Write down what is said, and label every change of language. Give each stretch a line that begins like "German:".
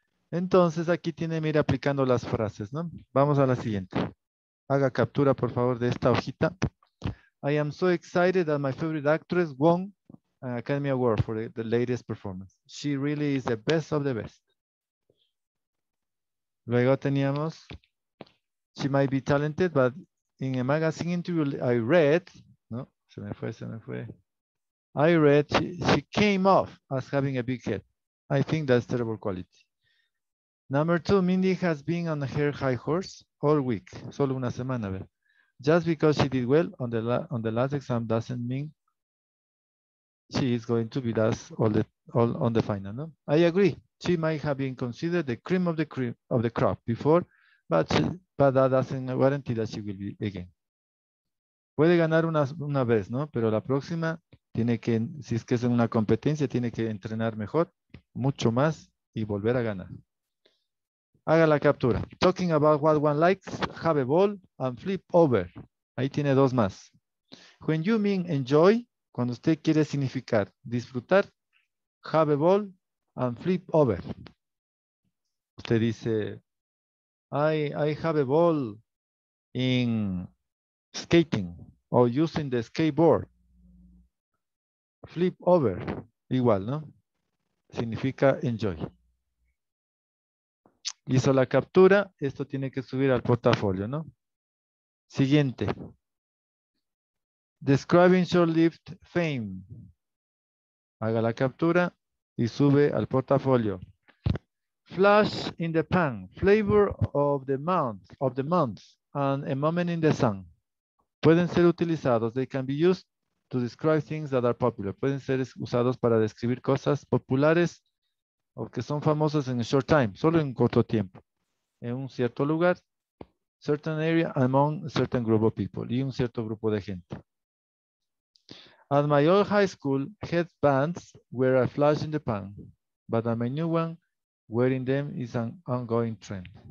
Spanish: Entonces, aquí tiene, mira, aplicando las frases, ¿no? Vamos a la siguiente. Haga captura, por favor, de esta hojita.
English: I am so excited that my favorite actress won an Academy Award for the latest performance. She really is the best of the best.
Spanish: Luego teníamos,
English: she might be talented, but in a magazine interview I read,
Spanish: no, se me fue.
English: I read, she came off as having a big head. I think that's terrible quality. Number two, Mindy has been on her high horse all week.
Spanish: Solo una semana, ¿ver?
English: Just because she did well on the last exam doesn't mean she is going to be us all on the final, ¿no? I agree. She might have been considered the cream of the crop before, but that doesn't guarantee that she will be again.
Spanish: Puede ganar una vez, ¿no? Pero la próxima tiene que, si es que es en una competencia, tiene que entrenar mejor, mucho más y volver a ganar. Haga la captura.
English: Talking about what one likes, have a ball and flip over.
Spanish: Ahí tiene dos más.
English: When you mean enjoy,
Spanish: cuando usted quiere significar disfrutar,
English: have a ball and flip over.
Spanish: Usted dice,
English: I have a ball in skating or using the skateboard.
Spanish: Flip over, igual, ¿no? Significa enjoy. Hizo la captura, esto tiene que subir al portafolio, ¿no? Siguiente.
English: Describing short-lived fame.
Spanish: Haga la captura y sube al portafolio.
English: Flash in the pan, flavor of the month, and a moment in the sun.
Spanish: Pueden ser utilizados.
English: They can be used to describe things that are popular.
Spanish: Pueden ser usados para describir cosas populares o que son famosas en
English: a short time,
Spanish: solo en un corto tiempo, en un cierto lugar,
English: certain area, among a certain group of people,
Spanish: y un cierto grupo de gente.
English: At my old high school, headbands were a flash in the pan, but at my new one, wearing them is an ongoing trend.